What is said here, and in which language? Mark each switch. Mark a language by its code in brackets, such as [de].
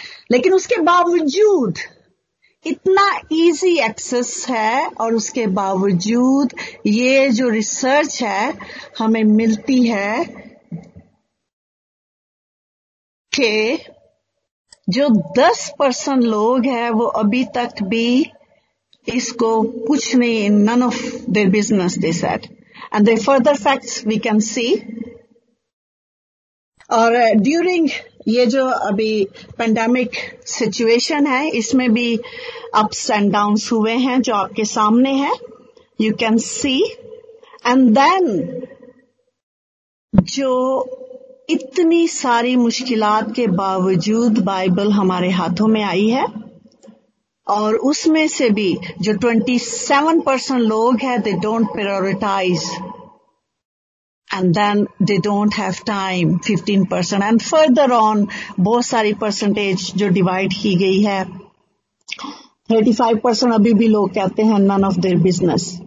[hi] लेकिन उसके बावजूद इतना इजी एक्सेस है और उसके बावजूद ये जो रिसर्च है हमें मिलती है कि जो 10% लोग हैं वो अभी तक भी इसको कुछ नहीं, [en] None of their business they said. And the further facts we can see. [hi] और during ये जो अभी pandemic situation है इसमें भी ups and downs हुए हैं जो आपके सामने है, [en] you can see. [hi] And then जो इतनी सारी मुश्किलात के बावजूद बाइबल हमारे हाथों में आई है और उसमें से भी जो 27% लोग है [en] they don't prioritize. And then they don't have time, 15%. And further on, [hi] बहुत सारी percentage जो divide की गई है, 35% अभी भी लोग कहते हैं [en] none of their business.